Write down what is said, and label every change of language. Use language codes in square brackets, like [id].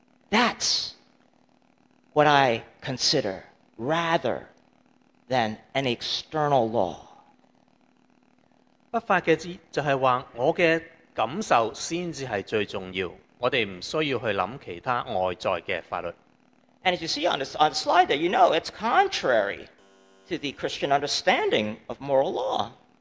[en] That's what I consider rather than an external law. [zh] 不法的意思就是说我的感受才是最重要。我们不需要去想其他外在的法律。 [en] And as you see on the slide there, you know it's contrary to the Christian understanding of moral law.